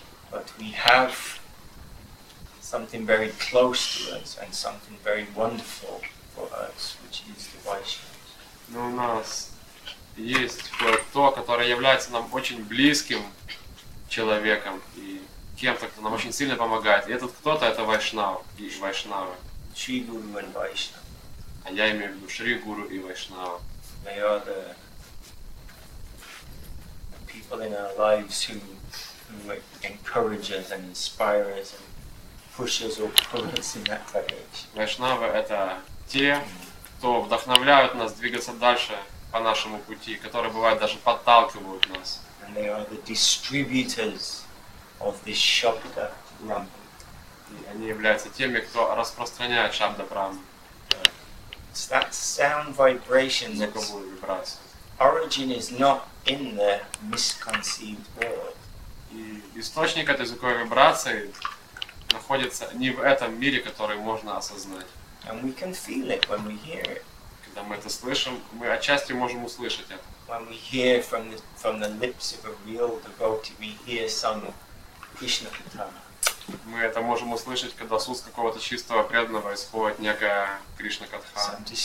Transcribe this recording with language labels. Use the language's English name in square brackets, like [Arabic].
[English] But we have something very close to us and something very wonderful for us, which is the Vaishnavas. [Russian] Но у нас есть то, которое является нам очень близким человеком и кем-то, кто нам очень сильно помогает. И этот кто-то — это Вайшнав, и Вайшнавы. Шри Гуру и Вайшнавы. А я имею в виду Шри Гуру и Вайшнавы. [English] They are the people in our lives who encourage us and inspire us and push us or pull us in that direction. [Russian] Вайшнавы — это те, кто вдохновляют нас двигаться дальше по нашему пути, которые, бывают даже подталкивают нас. [English] And they are the distributors of this Shabda Brahma. [Russian] Они являются теми, кто распространяет Шабда Брахма. [English] It's that sound vibration that origin is not in the misconceived world. [Russian] И источник этой звуковой вибрации находится не в этом мире, который можно осознать. [English] And we can feel it when we hear it. [Russian] Когда мы это слышим, мы отчасти можем услышать это. [English] When we hear from the lips of a real devotee, we hear some Krishna Katha. [Russian] Мы это можем услышать, когда с уст какого-то чистого преданного исходит некая Кришна Катха.